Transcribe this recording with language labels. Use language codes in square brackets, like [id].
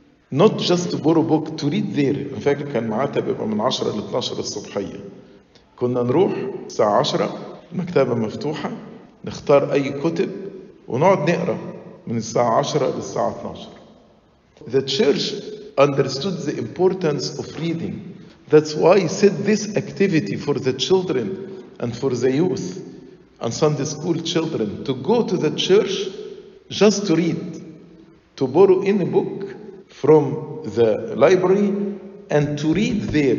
[en] Not just to borrow a book, to read there. [ar] فاكر كان معاتها بيبقى من 10 ل 12 الصبحية. كنا نروح الساعة 10 المكتبة مفتوحة نختار أي كتب ونقعد نقرأ من الساعة 10 للساعة 12. [en] The church understood the importance of reading. That's why he said this activity for the children and for the youth and Sunday school children to go to the church just to read, to borrow any book from the library and to read there.